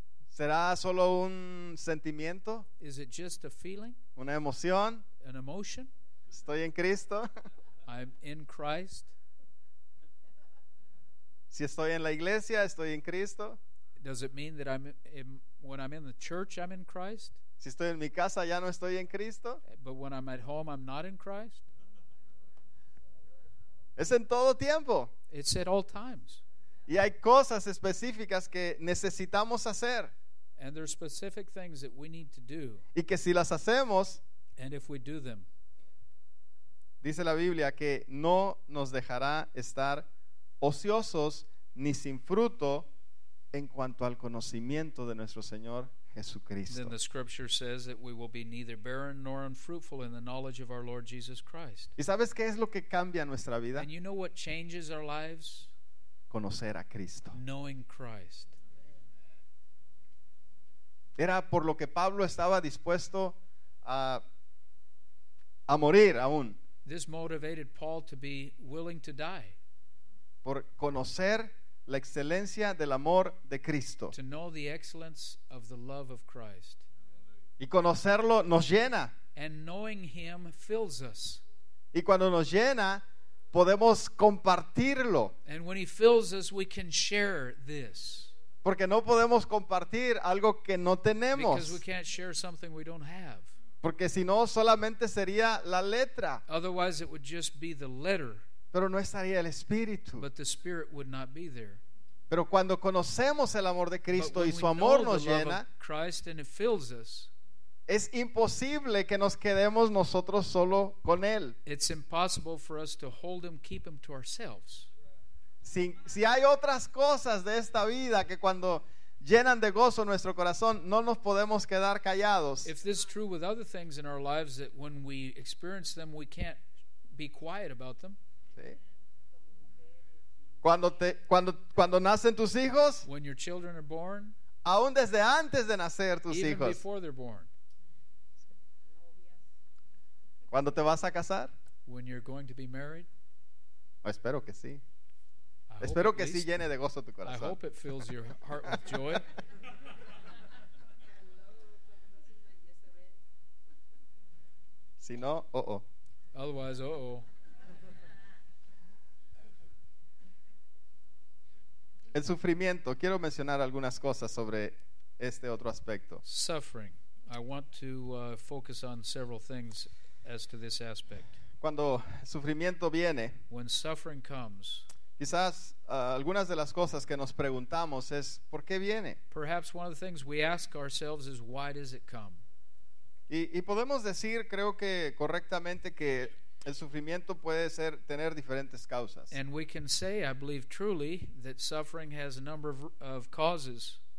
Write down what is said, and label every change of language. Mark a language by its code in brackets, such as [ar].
[es] ¿Será solo un sentimiento? [en] Is it just a feeling? [es] ¿Una emoción? [en] An emotion? [es] ¿Estoy en Cristo? [en] I'm in Christ. [es] Si estoy en la iglesia, estoy en Cristo. [en] Does it mean that when I'm in the church, I'm in Christ? [es] Si estoy en mi casa, ya no estoy en Cristo. [en] But when I'm at home, I'm not in Christ. [es] Es en todo tiempo. [en] It's at all times. [es] Y hay cosas específicas que necesitamos hacer. [en] And there are specific things that we need to do. [es] Y que si las hacemos, [en] and if we do them, [es] dice la Biblia que no nos dejará estar ociosos ni sin fruto en cuanto al conocimiento de nuestro Señor Jesucristo. [en] Then the scripture says that we will be neither barren nor unfruitful in the knowledge of our Lord Jesus Christ. [es] ¿Y sabes qué es lo que cambia nuestra vida? [en] And you know what changes our lives? [es] Conocer a Cristo. [en] Knowing Christ. [es] Era por lo que Pablo estaba dispuesto a morir aún. [en] This motivated Paul to be willing to die. [es] Por conocer la excelencia del amor de Cristo. [en] To know the excellence of the love of Christ. [es] Y conocerlo nos llena. [en] And knowing Him fills us. [es] Y cuando nos llena, podemos compartirlo. [en] And when He fills us, we can share this. [es] Porque no podemos compartir algo que no tenemos. [en] Because we can't share something we don't have. [es] Porque si no, solamente sería la letra. [en] Otherwise, it would just be the letter. [es] Pero no estaría el Espíritu. [en] But the Spirit would not be there. [es] Pero cuando conocemos el amor de Cristo y su amor nos llena, [en] Christ and it fills us, [es] Es imposible que nos quedemos nosotros solo con él. [en] It's impossible for us to hold him, keep him to ourselves. [es] Si hay otras cosas de esta vida que cuando llenan de gozo nuestro corazón, no nos podemos quedar callados. [en] If this is true with other things in our lives that when we experience them we can't be quiet about them. [es] Sí. Cuando nacen tus hijos, [en] when your children are born, [es] aún desde antes de nacer tus [en] even [es] hijos, [en] before they're born. [es] ¿Cuándo te vas a casar? [en] When you're going to be married? [es] Oh, espero que sí. Espero que sí llene de gozo tu corazón. [en] I hope it fills your heart with joy. [es] Si no, oh. [en] Otherwise, oh. [es] El sufrimiento. Quiero mencionar algunas cosas sobre este otro aspecto. [en] Suffering. I want to focus on several things as to this aspect. [es] Cuando sufrimiento viene, [en] when suffering comes, [es] quizás algunas de las cosas que nos preguntamos es ¿por qué viene? [en] Perhaps one of the things we ask ourselves is why does it come? [es] Y podemos decir, creo que correctamente, que el sufrimiento puede ser tener diferentes causas. [en] And we can say, I believe truly, that suffering has a number of causes.